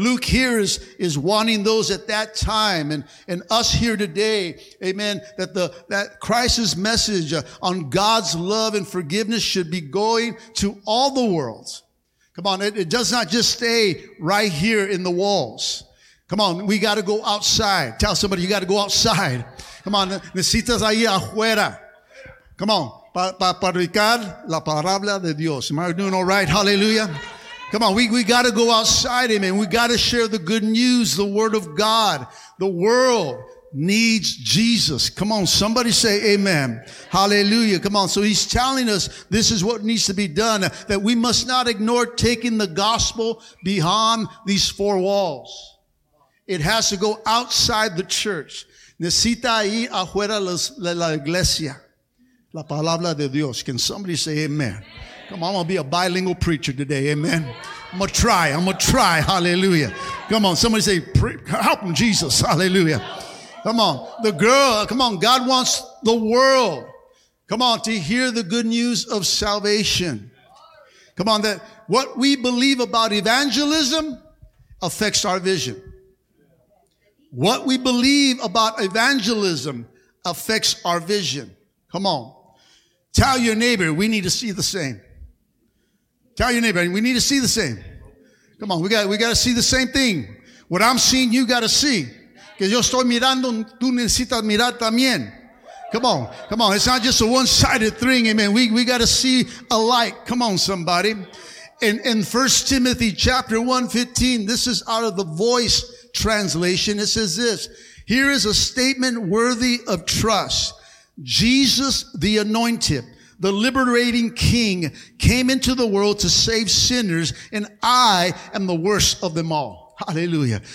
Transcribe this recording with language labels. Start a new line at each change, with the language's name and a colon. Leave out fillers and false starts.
English: Luke here is wanting those at that time and us here today, amen, that Christ's message on God's love and forgiveness should be going to all the world. Come on, it does not just stay right here in the walls. Come on, we got to go outside. Tell somebody you got to go outside. Come on,
Spanish: necesitas ahí afuera.
English: Come on,
Spanish: para predicar la palabra de Dios.
English: Am I doing all right? Hallelujah. Come on, we got to go outside, amen. We got to share the good news, the word of God. The world needs Jesus. Come on, somebody say amen. Hallelujah. Come on. So he's telling us this is what needs to be done, that we must not ignore taking the gospel beyond these four walls. It has to go outside the church.
Spanish: Necesita ir afuera de la iglesia. La palabra de Dios.
English: Can somebody say amen? Come on, I'm going to be a bilingual preacher today, amen. I'm going to try, hallelujah. Come on, somebody say, help him, Jesus, hallelujah. Come on, God wants the world, come on, to hear the good news of salvation. Come on, that what we believe about evangelism affects our vision. What we believe about evangelism affects our vision. Come on. Tell your neighbor, we need to see the same. Tell your neighbor, we need to see the same. Come on, we got to see the same thing. What I'm seeing, you got to see.
Spanish: Que yo estoy mirando, tú necesitas mirar también.
English: Come on. It's not just a one-sided thing, amen. We got to see alike. Come on, somebody. In 1 Timothy chapter 1:15, this is out of the Voice translation. It says this. Here is a statement worthy of trust. Jesus, the anointed, the liberating king, came into the world to save sinners, and I am the worst of them all. Hallelujah.